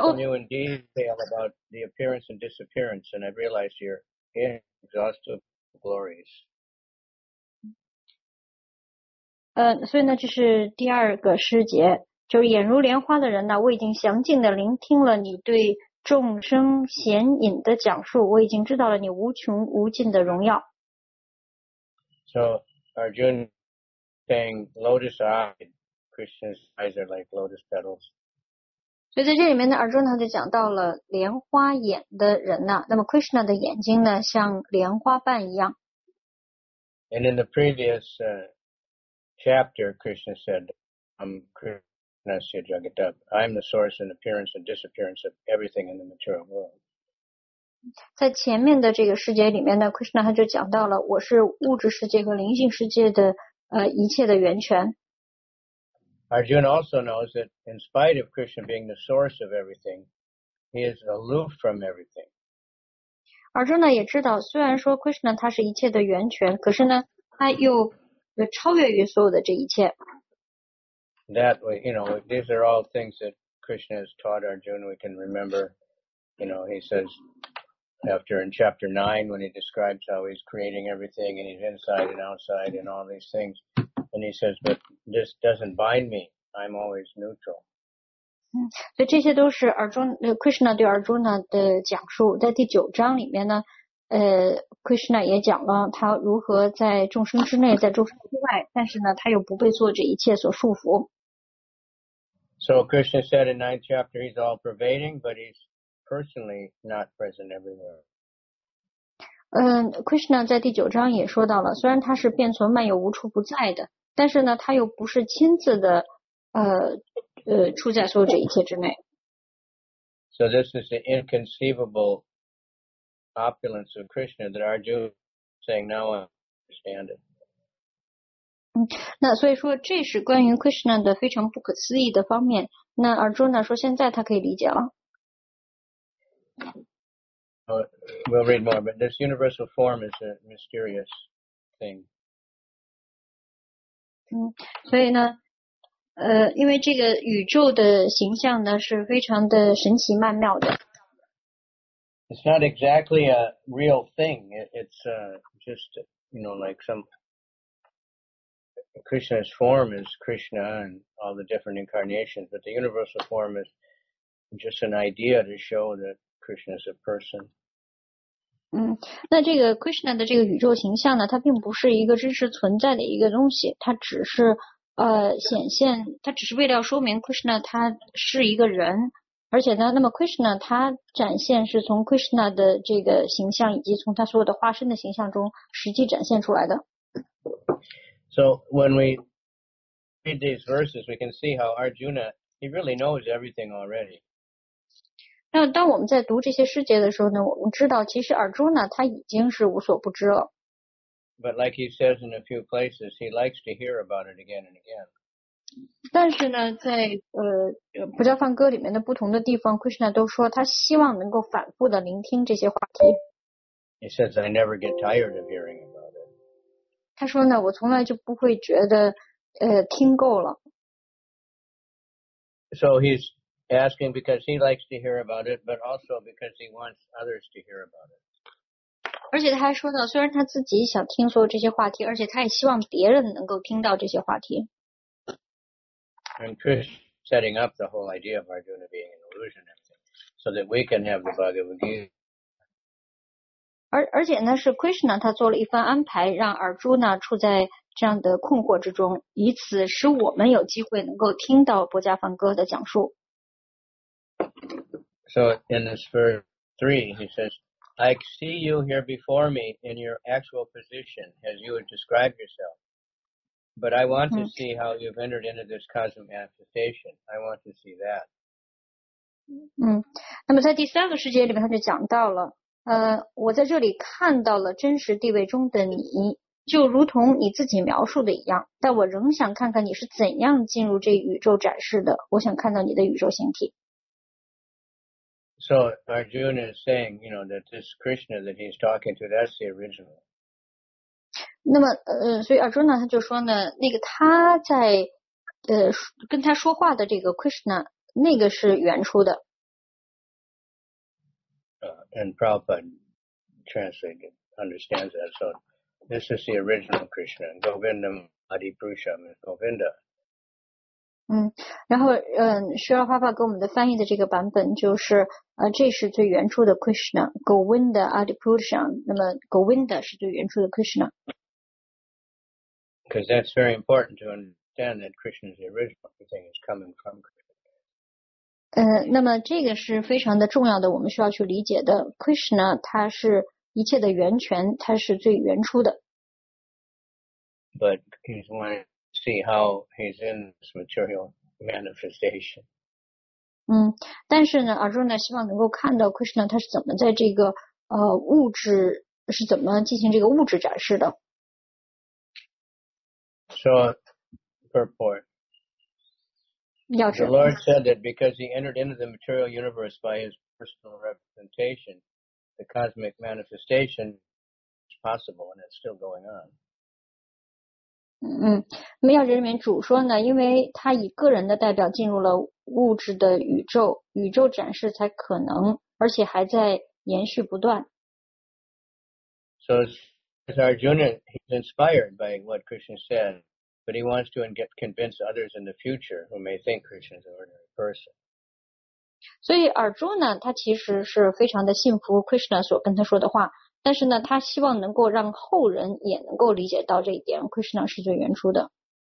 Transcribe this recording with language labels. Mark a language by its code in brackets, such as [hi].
[en] You in detail about the appearance and disappearance, and I realize you're inexhaustive glories. [zh] 所以呢，就是第二个诗节，就是眼如莲花的人呢，我已经详尽的聆听了你对众生显隐的讲述，我已经知道了你无穷无尽的荣耀。 [en] So Arjuna saying lotus eyed, Krishna's eyes are like lotus petals. [zh] 所以在这里面呢 ，Arjuna 就讲到了莲花眼的人呢，那么 Krishna 的眼睛呢，像莲花瓣一样。 [en] And in the previous chapter, Krishna said, "I'm Krishna Jagadab. I'm the source and appearance and disappearance of everything in the material world." [zh] 在前面的这个世界里面呢 ，Krishna 他就讲到了，我是物质世界和灵性世界的一切的源泉。 [en] Arjuna also knows that in spite of Krishna being the source of everything, he is aloof from everything. [zh] Arjuna 也知道，虽然说 Krishna 他是一切的源泉，可是呢，他又超越于所有的这一切。 [en] That way, you know, these are all things that Krishna has taught Arjuna. We can remember, you know, he says after in chapter 9 when he describes how he's creating everything and he's inside and outside and all these things. And he says, but this doesn't bind me. I'm always neutral. [zh] 所以这些都是 Krishna 对 Arjuna 的讲述。在第九章里面呢Krishna 也讲了他如何在众生之内在众生之外但是呢他又不被做这一切所束缚。 [en] So Krishna said in 9th chapter, he's all pervading, but he's personally not present everywhere. [zh] Krishna 在第九章也说到了虽然他是变存漫游无处不在的但是呢他又不是亲自的出在所有这一切之内。 [en] So this is the inconceivable opulence of Krishna that Arjuna saying now I understand it. [zh] 那所以说这是关于 Krishna 的非常不可思议的方面那 Arjuna 说现在他可以理解了。 [en] We'll read more, but this universal form is a mysterious thing. [zh] 所以呢，因为这个宇宙的形象呢是非常的神奇曼妙的。 [en] It's not exactly a real thing. It's just you know, like some Krishna's form is Krishna and all the different incarnations, but the universal form is just an idea to show that Krishna is a person. [zh] 那这个 Krishna 的这个宇宙形象呢它并不是一个真实存在的一个东西它只是显现它只是为了说明 Krishna 他是一个人而且呢那么 Krishna 他展现是从 Krishna 的这个形象以及从他所有的化身的形象中实际展现出来的。 [en] So when we read these verses, we can see how Arjuna, he really knows everything already. [zh] 那当我们在读这些诗节的时候呢我们知道其实 Arjuna 他已经是无所不知了。 [en] But like he says in a few places, he likes to hear about it again and again. [zh] 但是呢在普迦梵歌里面的不同的地方 Krishna 都说他希望能够反复的聆听这些话题。 [en] He says, I never get tired of hearing about it. [zh] 他说呢，我从来就不会觉得，听够了。 [en] So he's asking because he likes to hear about it, but also because he wants others to hear about it. [zh] 而且他还说呢，虽然他自己想听所有这些话题，而且他也希望别人能够听到这些话题。 [en] And Chris setting up the whole idea of Arjuna being an illusion, so that we can have the Bhagavad Gita. [zh] 而且呢，是 Krishna 他做了一番安排，让 Arjuna 处在这样的困惑之中，以此使我们有机会能够听到薄伽梵歌的讲述。 [en] So in this verse 3, he says, I see you here before me in your actual position as you would describe yourself. But I want to see how you've entered into this cosmic manifestation. I want to see that. [zh] 那么在第三个世界里面他就讲到了。我在这里看到了真实地位中的你，就如同你自己描述的一样，但我仍想看看你是怎样进入这宇宙展示的，我想看到你的宇宙形体。 [en] So Arjuna is saying, you know, that this Krishna that he's talking to, that's the original. [zh] 那么所以 Arjuna 他就说呢，那个他在跟他说话的这个 Krishna, 那个是原初的。 [en] And Prabhupada translated, understands that. So this is the original Krishna. Govindam Adi Purusham is Govinda. [zh] 然后Srila Prabhupada 给我们的翻译的这个版本就是这是最原初的 Krishna, Govinda Adi Purusham. 那么 Govinda 是最原初的 Krishna. [en] Because that's very important to understand that Krishna is the original. Everything is coming from Krishna. [zh] 那么这个是非常的重要的，我们需要去理解的。 Krishna 它是一切的源泉，它是最原初的。 [en] But he's wanting to see how he's in this material manifestation. [zh] 但是呢，Arjuna 希望能够看到 Krishna 他是怎么在这个物质是怎么进行这个物质展示的。 [en] So, purport. The Lord said that because he entered into the material universe by his personal representation, the cosmic manifestation is possible and it's still going on. [zh] 妙觉里面主说呢，因为他以个人的代表进入了物质的宇宙，宇宙展示才可能，而且还在延续不断。 [en] So as Arjuna, he's inspired by what Krishna said. But he wants to convince others in the future who may think Krishna is an ordinary person. [zh] 所以 Arjuna 他其实是非常的信服 Krishna 所跟他说的话，但是呢，他希望能够让后人也能够理解到这一点， Krishna 是最原初的。